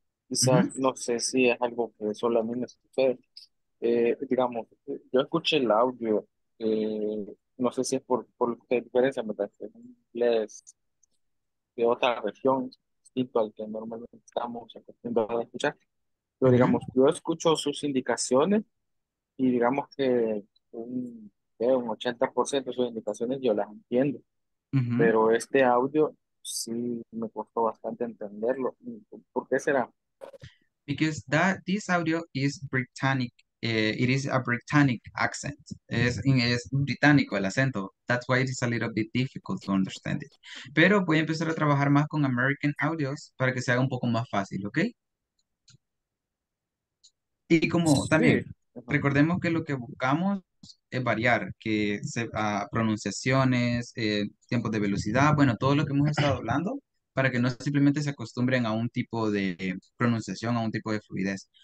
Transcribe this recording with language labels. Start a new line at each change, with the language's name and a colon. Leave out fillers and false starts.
Spanish: Quizás, no sé si es algo que solo a mí me sucede. Digamos, yo escuché el audio, no sé si es por qué diferencia, me parece un inglés de otra región, distinto al que normalmente estamos acostumbrados a escuchar. Pero digamos, yo escucho sus indicaciones y digamos que un 80% de sus indicaciones yo las entiendo. Pero este audio sí me costó bastante entenderlo. ¿Por qué será?
English: Because this audio is Britannic, it is a Britannic accent,
Spanish: es británico el acento,
English: that's why it is a little bit difficult to understand it.
Spanish: Pero voy a empezar a trabajar más con
English: American audios
Spanish: para que se haga un poco más fácil, ¿ok? Y como también, recordemos que lo que buscamos es variar, que se, pronunciaciones, tiempos de velocidad, bueno, todo lo que hemos estado hablando, para que no simplemente se acostumbren a un tipo de pronunciación, a un tipo de fluidez.